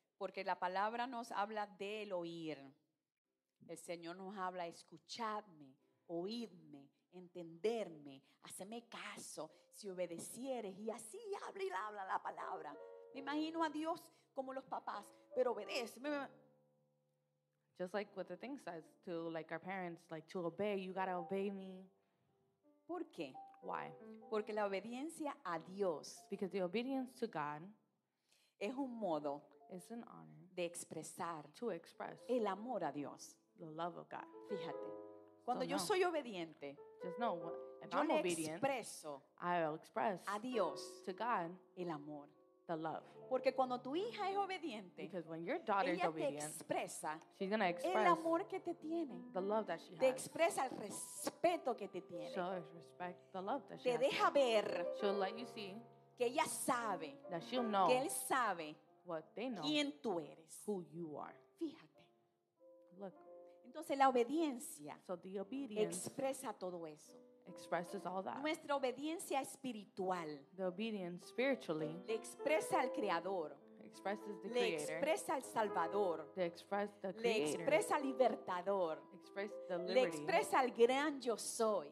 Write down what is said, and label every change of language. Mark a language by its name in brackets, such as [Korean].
[Spanish] Porque la palabra nos habla del oír. El Señor nos habla, escuchadme, oídme, entenderme, haceme caso, si obedecieres. Y así habla y habla la palabra. Me imagino a Dios como los papás, pero obedece. [English] Just like what the thing says to like our parents, like to obey, you gotta obey me. [Spanish] ¿Por qué? [English] Why? [Spanish] Porque la obediencia a Dios. [English] Because the obedience to God [Spanish] es un modo. [English] It's an honor [Spanish] de expresar [English] to express [Spanish] el amor a Dios. [English] The love of God. [Spanish] Fíjate, cuando [English] so [Spanish] yo no. soy obediente, [English] just know if [Spanish] yo [English] I'm obedient, [Spanish] expreso [English] I will express [Spanish] a Dios [English] to God [Spanish] el amor. [English] The love. [Spanish] Porque cuando tu hija es obediente, [English] because when your daughter [Spanish] ella [English] is obedient, [Spanish] te expresa, [English] she's gonna express [Spanish] el amor que te tiene. [English] The love that she has. [Spanish] Te expresa el respeto que te tiene. [English] Shows respect the love that [Spanish] te [English] she [Spanish] deja [English] has. [Spanish] Ver. [English] She'll let you see [Spanish] que ella sabe, [English] that she'll know [Spanish] que él sabe [English] what they know, [Spanish] quién tú eres. [English] Who you are. [Spanish] Fíjate. [English] Look. [Spanish] Entonces la obediencia, [English] so the obedience, [Spanish] expresa todo eso. [English] Expresses all that. [Spanish] Nuestra obediencia espiritual. [English] The obedience spiritually. [Spanish] Le expresa al Creador. [English] Expresses the Creator. [Spanish] Le expresa al Salvador. [English] They express the Creator. [Spanish] Le expresa al Libertador. [English] Express the Liberty. [Spanish] Le expresa al Gran Yo Soy.